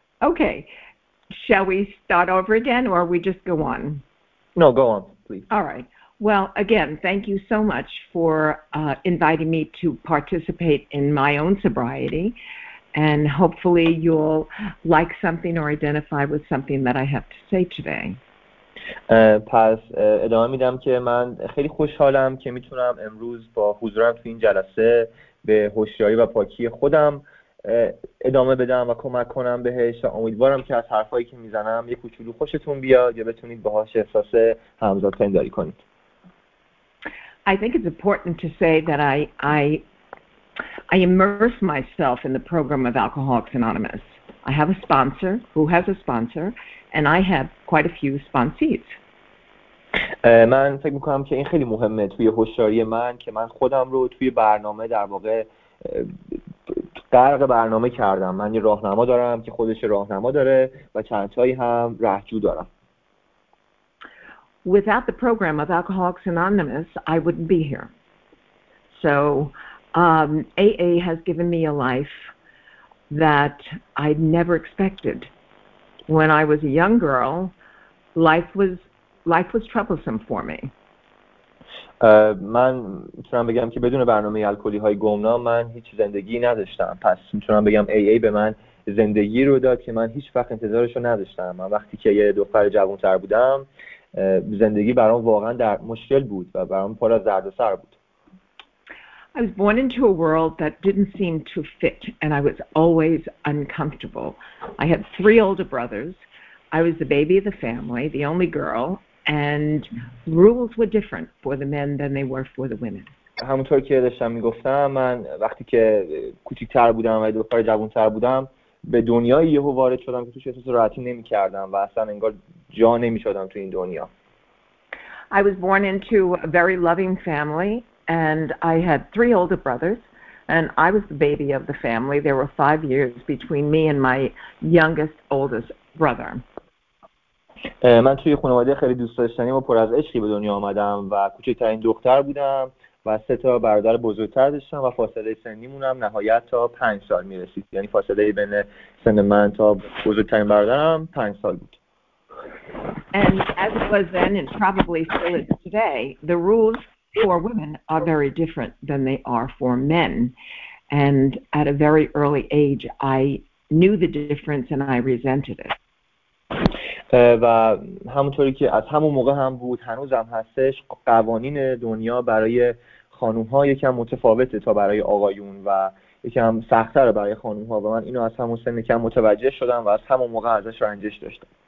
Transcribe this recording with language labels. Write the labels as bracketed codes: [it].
[en] Okay. Shall we start over again, or we just go on? No, go on, please. All right. Well, again, thank you so much for inviting me to participate in my own sobriety, and hopefully you'll like something or identify with something that I have to say today. [fa] پس ادامه میدم که من خیلی خوشحالم که میتونم امروز با حضورم تو این جلسه به هوشیاری و پاکی خودم ادامه بدم و کمک کنم بهش و امیدوارم که از حرفایی که میزنم یک کوچولو خوشتون بیاد یا بتونید باهاش احساس همزادپنداری کنید. [en] I think it's important to say that I immerse myself in the program of Alcoholics Anonymous. I have a sponsor who has a sponsor and I have quite a few sponsees. [fa] من فکر میکنم که این خیلی مهمه توی هوشیاری من که من خودم رو توی برنامه در واقع قرق برنامه کردم. من یه راهنما دارم که خودش راهنما داره و چند تایی هم رهجو دارم. [en] Without the program of Alcoholics Anonymous, I wouldn't be here. So, AA has given me a life that I never expected. When I was a young girl, life was troublesome for me. [fa] من میتونم بگم که بدون برنامه الکلی های گمنام من هیچ زندگی نداشتم. پس میتونم بگم AA به من زندگی رو داد که من هیچ وقت انتظارش رو نداشتم. من وقتی که یه دختر جوان‌تر بودم زندگی برام واقعا در مشکل بود و برام پر از درد سر بود. [en] I was born into a world that didn't seem to fit and I was always uncomfortable. I had 3 older brothers. I was the baby of the family, the only girl. And rules were different for the men than they were for the women. [fa] همونطور که داشتم میگفتم من وقتی که کوچیک‌تر بودم و دختر جوان‌تر بودم به دنیای یهو وارد شدم که توش احساس راحتی نمی‌کردم و اصلا انگار جا نمی‌شدم تو این دنیا. [en] I was born into a very loving family and I had 3 older brothers and I was the baby of the family. There were 5 years between me and my youngest oldest brother. [fa] من توی خانواده خیلی دوست داشتنی و پر از عشقی به دنیا آمدم و کوچکترین دختر بودم و 3 تا برادر بزرگتر داشتم و فاصله سنیمونم نهایت تا 5 سال میرسید. یعنی فاصله بین سن من تا بزرگترین برادرم 5 سال بود. [en] And as it was then and probably still is today, the rules for women are very different than they are for men. And at a very early age, I knew the difference and I resented it. [fa] و همونطوری که از همون موقع هم بود هنوزم هستش، قوانین دنیا برای خانوم ها یکم متفاوته تا برای آقایون و یکم سخت‌تر برای خانوم ها و من اینو از همون سن یکم متوجه شدم و از همون موقع ازش رنجش داشتم.